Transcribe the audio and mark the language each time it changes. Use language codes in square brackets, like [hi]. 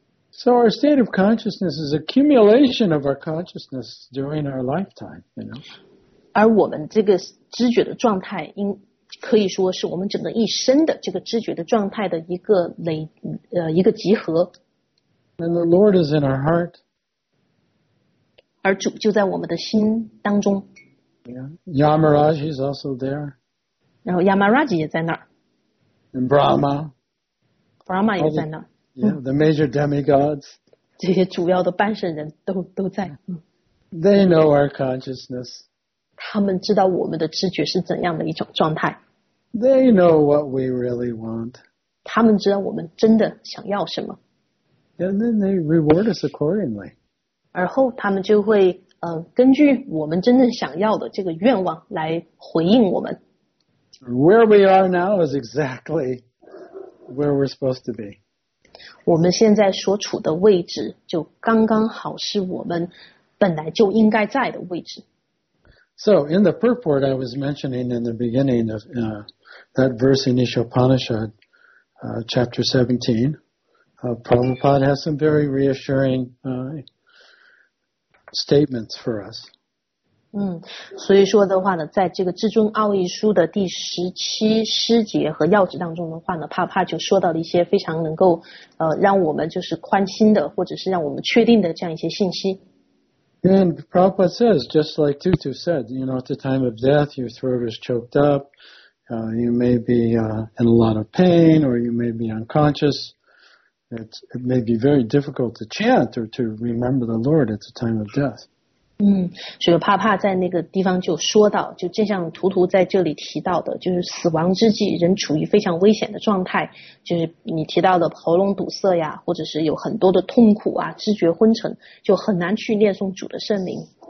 [en] So our state of consciousness is accumulation of our consciousness during our lifetime, you know. [zh] 而我们这个知觉的状态应可以说是我们整个一生的这个知觉的状态的一个集合。 [en] And the Lord is in our heart. [zh] 而主就在我们的心当中。 [en] Yeah. Yamaraj is also there. [zh] 然后 Yamaraj 也在那儿。 [en] And Brahma. [zh] Brahma 也在那儿。 [en] Yeah, the major demigods. [zh] 这些主要的半神人都在。 [en] They know our consciousness. [zh] 他们知道我们的知觉是怎样的一种状态。 [en] They know what we really want. [zh] 他们知道我们真的想要什么。 [en] And then they reward us accordingly. [zh] 而后他们就会根据我们真正想要的这个愿望来回应我们。 [en] Where we are now is exactly where we're supposed to be. [zh] 我们现在所处的位置就刚刚好是我们本来就应该在的位置。 [en] So, in the purport I was mentioning in the beginning of that verse in Ishopanishad, chapter 17, Prabhupada has some very reassuring statements for us. [zh] 所以说的话呢，在这个《至尊奥义书》的第十七诗节和要旨当中的话呢，帕帕就说到了一些非常能够让我们就是宽心的，或者是让我们确定的这样一些信息。 [en] And Prabhupada says, just like Tutu said, you know, at the time of death, your throat is choked up, you may be in a lot of pain, or you may be unconscious. It may be very difficult to chant or to remember the Lord at the time of death. [zh] 所以帕帕在那个地方就说到，就正像图图在这里提到的，就是死亡之际，人处于非常危险的状态，就是你提到的喉咙堵塞呀，或者是有很多的痛苦啊，知觉昏沉，就很难去念诵主的圣名。